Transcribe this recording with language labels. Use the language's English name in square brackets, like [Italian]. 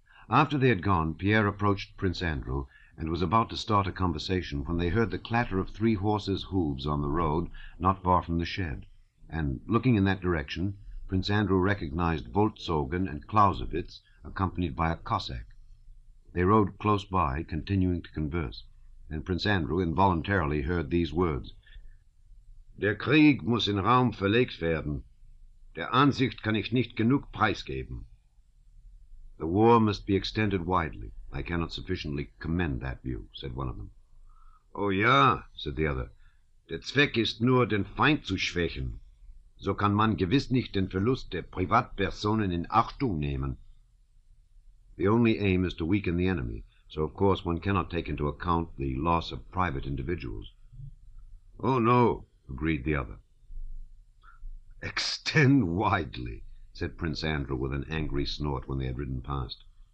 [English] After they had gone, Pierre approached Prince Andrew and was about to start a conversation when they heard the clatter of 3 horses' hooves on the road not far from the shed, and, looking in that direction, Prince Andrew recognized Voltsogen and Clausewitz, accompanied by a Cossack. They rode close by, continuing to converse, and Prince Andrew involuntarily heard these words. [German] Der Krieg muss in Raum verlegt werden. Der Ansicht kann ich nicht genug preisgeben. [English] The war must be extended widely. I cannot sufficiently commend that view, said one of them. [German] Oh ja, [English] said the other. [German] Der Zweck ist nur, den Feind zu schwächen. So kann man gewiss nicht den Verlust der Privatpersonen in Achtung nehmen. [English] The only aim is to weaken the enemy, so of course one cannot take into account the loss of private individuals. Oh, no, agreed the other. Extend widely, said Prince Andrew with an angry snort when they had ridden past.